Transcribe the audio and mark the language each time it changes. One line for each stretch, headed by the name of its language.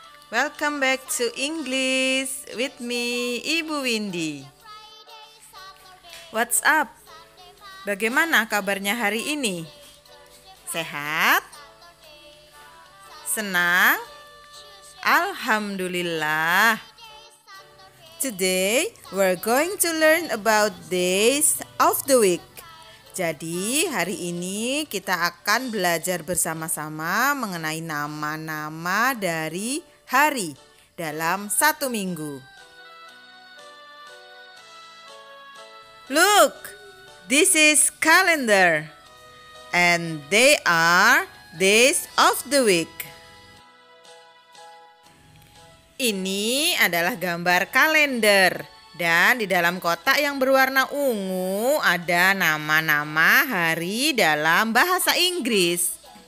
English: Welcome back to English with me, Ibu Windy. What's up?
Indonesian: Bagaimana kabarnya hari ini? Sehat? Senang? Alhamdulillah.
English: Today we're going to learn about days of the week.
Indonesian: Jadi hari ini kita akan belajar bersama-sama mengenai nama-nama dari hari dalam satu minggu.
English: Look, this is calendar and they are days of the week.
Indonesian: Ini adalah gambar kalender. Dan di dalam kotak yang berwarna ungu ada nama-nama hari dalam bahasa Inggris.